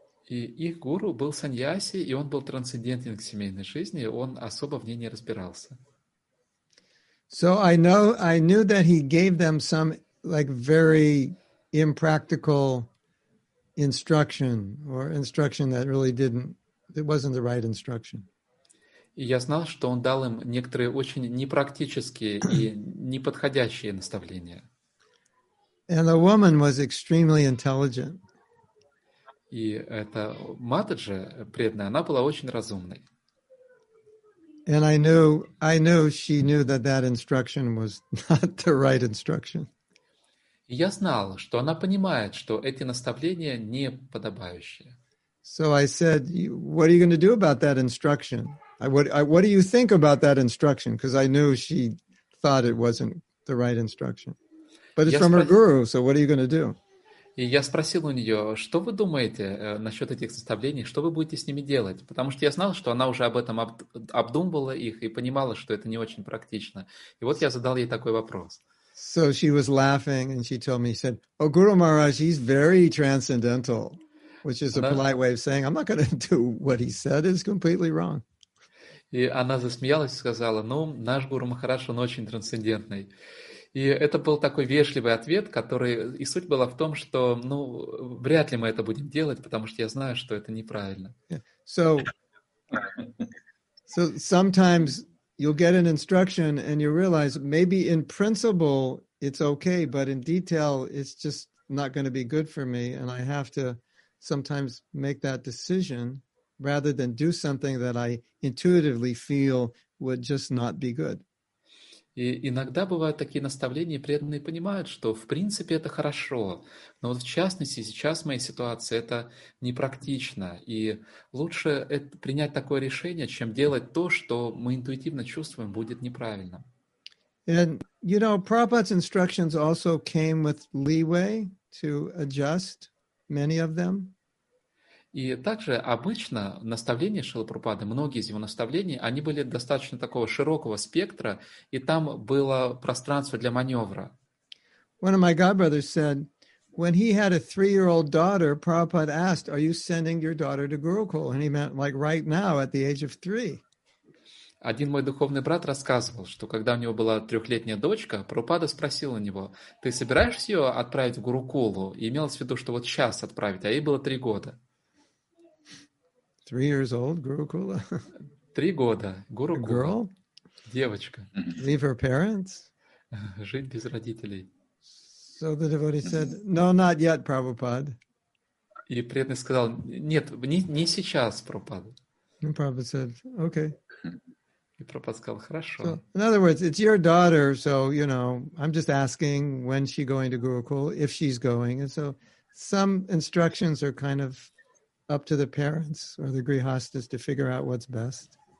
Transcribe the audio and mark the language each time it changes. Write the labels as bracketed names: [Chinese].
[Russian] И их гуру был саньяси, и он был трансцендентен к семейной жизни, он особо в ней не разбирался. [English] So I knew that he gave them some like very impractical instruction or instruction that really wasn't the right instruction. [Russian] И я знал, что он дал им некоторые очень непрактические и неподходящие наставления. [English] And the woman was extremely intelligent. [Russian] И эта Матаджа преданная, она была очень разумной. [English] And I knew she knew that instruction was not the right instruction. [Russian] И я знал, что она понимает, что эти наставления не подобающие. [English] So I said, what are you going to do about that instruction? What do you think about that instruction? Because I knew she thought it wasn't the right instruction. But it's from her guru, so what are you going to do? [Russian] И я спросил у нее, что вы думаете насчет этих составлений, что вы будете с ними делать? Потому что я знал, что она уже об этом обдумывала их и понимала, что это не очень практично. И вот я задал ей такой вопрос. [English] So she was laughing, and she told me, she said, oh, Guru Maharaj, he's very transcendental, which is a polite way of saying, I'm not going to do what he said, it's completely wrong. [Russian] И она засмеялась и сказала, ну, наш Гуру Махарадж, он очень трансцендентный. И это был такой вежливый ответ, который... И суть была в том, что, ну, вряд ли мы это будем делать, потому что я знаю, что это неправильно. [English] So sometimes you'll get an instruction and you realize maybe in principle it's okay, but in detail it's just not going to be good for me, and I have to sometimes make that decision rather than do something that I intuitively feel would just not be good. [Russian] И иногда бывают такие наставления, преданные понимают, что в принципе это хорошо, но вот в частности сейчас в моей ситуации это непрактично, и лучше принять такое решение, чем делать то, что мы интуитивно чувствуем, будет неправильно. [English] And, you know, Prabhupada's instructions also came with leeway to adjust many of them. [Russian] И также обычно наставления Шрилы Прабхупады, многие из его наставлений, они были достаточно такого широкого спектра, и там было пространство для маневра. [English] One of my godbrothers said, when he had a 3-year-old daughter, Prabhupada asked, are you sending your daughter to Gurukul? And he meant like right now, at the age of 3. [Russian] Один мой духовный брат рассказывал, что когда у него была 3-летняя дочка, Прабхупада спросил у него, ты собираешься ее отправить в Гурукулу? И имелось в виду, что вот сейчас отправить, а ей было 3 года. [English] 3 years old, Gurukula. [Russian] 3 года, Gurukula. [English] Girl, [Russian] девочка. [English] Leave her parents. [Russian] Жить без родителей. [English] So the devotee said, "No, not yet, Prabhupada." [Russian] И преданный сказал, нет, не сейчас, Прабхупада. [English] And Prabhupada said, "Okay." [Russian] И Прабхупада сказал, хорошо. [English] So, in other words, it's your daughter, so you know, I'm just asking when she's going to Gurukula, if she's going, and so some instructions are kind of up to the parents or the grihasthas to figure out what's best.